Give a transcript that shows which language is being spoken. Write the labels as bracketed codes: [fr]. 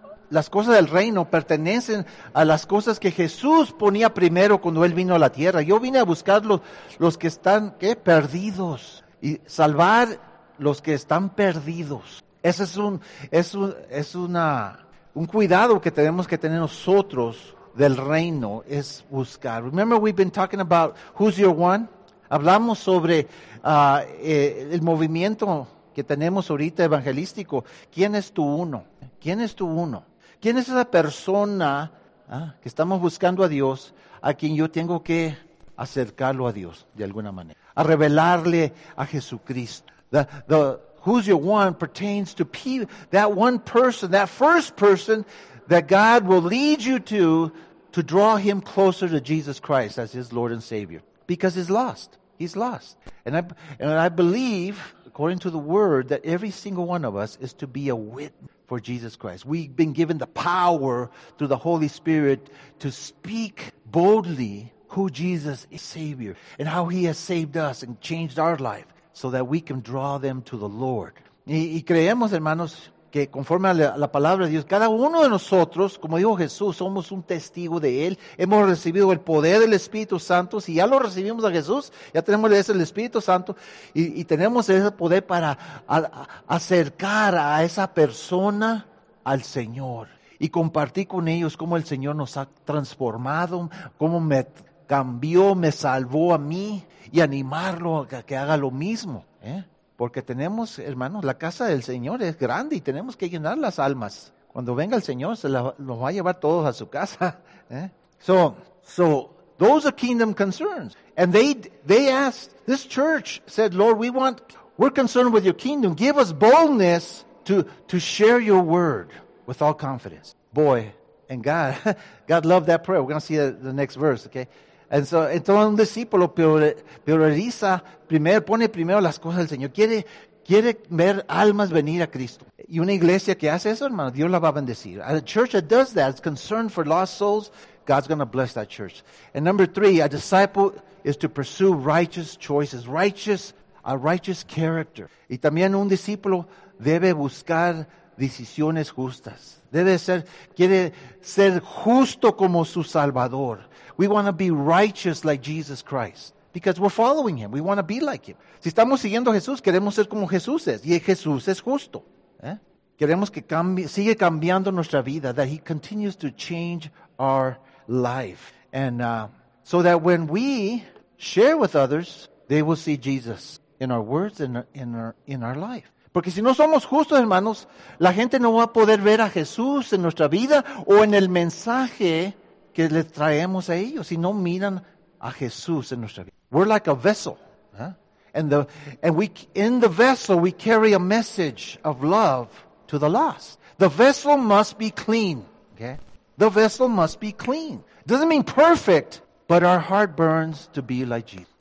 [es] las cosas del reino pertenecen a las cosas que Jesús ponía primero cuando Él vino a la tierra. Yo vine a buscar los que están, ¿qué? Perdidos. Y salvar los que están perdidos. Ese es un cuidado que tenemos que tener nosotros del reino, es buscar. [en] Remember we've been talking about who's your one? [es] Hablamos sobre el movimiento que tenemos ahorita evangelístico. ¿Quién es tu uno? ¿Quién es tu uno? ¿Quién es esa persona que estamos buscando a Dios, a quien yo tengo que acercarlo a Dios de alguna manera? A revelarle a Jesucristo. [en] The who's your one pertains to that one person, that first person that God will lead you to draw him closer to Jesus Christ as his Lord and Savior. Because he's lost. He's lost. And I believe, according to the word, that every single one of us is to be a witness for Jesus Christ. We've been given the power through the Holy Spirit to speak boldly who Jesus is, Savior, and how he has saved us and changed our life so that we can draw them to the Lord. [es] Y creemos, hermanos, que conforme a la palabra de Dios, cada uno de nosotros, como dijo Jesús, somos un testigo de Él. Hemos recibido el poder del Espíritu Santo. Si ya lo recibimos a Jesús, ya tenemos el Espíritu Santo y tenemos ese poder para acercar a esa persona al Señor y compartir con ellos cómo el Señor nos ha transformado, cómo me cambió, me salvó a mí y animarlo a que haga lo mismo, ¿eh? Porque tenemos, hermanos, la casa del Señor es grande y tenemos que llenar las almas. Cuando venga el Señor, nos va a llevar todos a su casa. [en] So those are kingdom concerns. And they asked, this church said, Lord, we're concerned with your kingdom. Give us boldness to share your word with all confidence. Boy, and God loved that prayer. We're going to see the next verse, okay? [es] Entonces un discípulo prioriza primero, pone primero las cosas del Señor. Quiere ver almas venir a Cristo. Y una iglesia que hace eso, hermano, Dios la va a bendecir. [en] A church that does that, is concerned for lost souls, God's going to bless that church. And number three, a disciple is to pursue righteous choices, a righteous character. [es] Y también un discípulo debe buscar decisiones justas. Quiere ser justo como su Salvador. [en] We want to be righteous like Jesus Christ because we're following him. We want to be like him. [es] Si estamos siguiendo a Jesús, queremos ser como Jesús es. Y Jesús es justo. ¿Eh? Queremos que sigue cambiando nuestra vida, [en] that he continues to change our life. And so that when we share with others, they will see Jesus in our words and in our life. [es] Porque si no somos justos, hermanos, la gente no va a poder ver a Jesús en nuestra vida o en el mensaje que les traemos a ellos si no miran a Jesús en nuestra vida. [en] We're like a vessel, and in the vessel we carry a message of love to the lost. The vessel must be clean. Okay, the vessel must be clean. Doesn't mean perfect, but our heart burns to be like Jesus.